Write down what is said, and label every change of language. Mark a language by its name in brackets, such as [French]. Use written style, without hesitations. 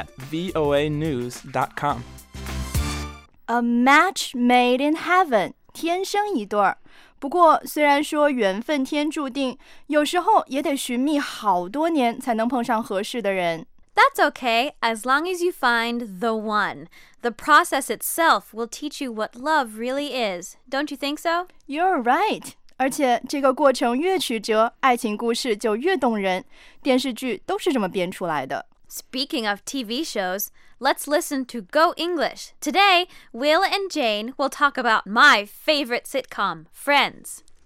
[English] meiyu@voanews.com。 A match made in heaven， [Chinese] 天生一对。不过虽然说缘分天注定，有时候也得寻觅好多年才能碰上合适的人。 [English] That's okay, as long as you find the one. The process itself will teach you what love really is, don't you think so? You're right. [Chinese] 而且这个过程越曲折，爱情故事就越动人。电视剧都是这么编出来的。 [English] Speaking of TV shows, let's listen to Go English. Today, Will and Jane will talk about my favorite sitcom, Friends.